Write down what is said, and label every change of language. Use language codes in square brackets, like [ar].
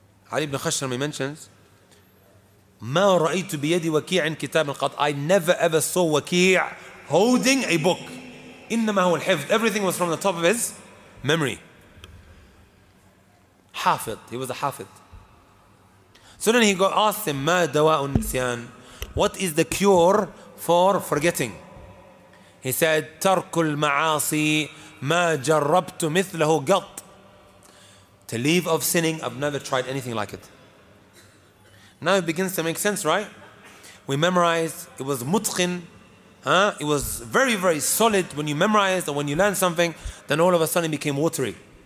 [en] Ali ibn Khashram, he mentions, [ar] مَا رَأَيْتُ بِيَدِ وَكِيعٍ كِتَابٍ قَدْ. [en] I never ever saw Waqi' holding a book. [ar] إنما هو الحفظ. [en] Everything was from the top of his memory. [ar] حافظ. [en] He was a حافظ. So then he got asked him, [ar] ما دواء النسيان? [en] What is the cure for forgetting? He said, [ar] ترك المعاصي ما جربت مثله قط. [en] To leave off sinning, I've never tried anything like it. Now it begins to make sense, right? We memorized, it was mutqin, huh? It was very, very solid. When you memorize or when you learn something, then all of a sudden it became watery.